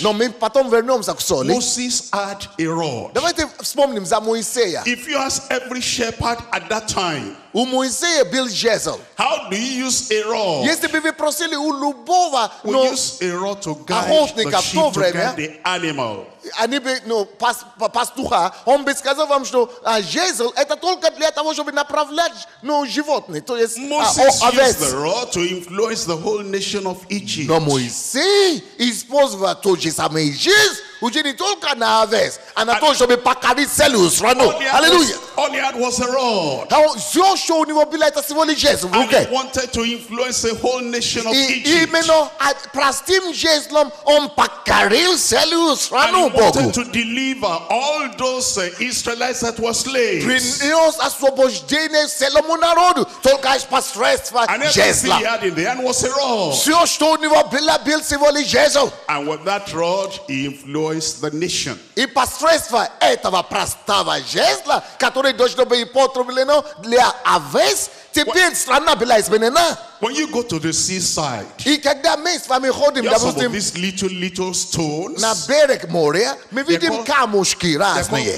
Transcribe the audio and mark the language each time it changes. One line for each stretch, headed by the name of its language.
Russian: но мы потом вернемся к соли.
English: Moses had a rod.
Russian: Давайте вспомним за Моисея.
English: If you ask every shepherd at that time,
Russian: у Моисея был жезл.
English: How do you use a rod?
Russian: Если бы вы просили у любого,
English: we use a rod to guide the sheep, to guide the animal.
Russian: Они бы, ну, пастуха, он бы сказал вам, что жезл это только для того, чтобы направлять, ну, животные, то есть овец.
English: Moses used the rod to influence the whole nation of Egypt.
Russian: Но Моисей использовал тот же самый жезл, уже не только на овец, а на то, чтобы покорить целую страну. Аллилуйя.
English: All he had was a rod.
Russian: Now, Joshua, у него была это всего лишь жезл в руке.
English: And he wanted to influence the whole nation of Egypt.
Russian: И именно простым жезлом он покорил целую страну Богу.
English: And he wanted to deliver all those Israelites that were slaves.
Russian: Принес освобождение целому народу, только посредством жезла.
English: And everything he had in the hand was a rod.
Russian: Joshua, у него была бил всего лишь жезл.
English: And with that rod, he influenced the nation.
Russian: И посредством этого простого жезла, которые должны быть потреблены для овец, теперь страна была изменена.
English: When you go to the seaside,
Russian: и когда мы с вами ходим, допустим,
English: these little stones,
Russian: на берег моря, мы видим камушки разные.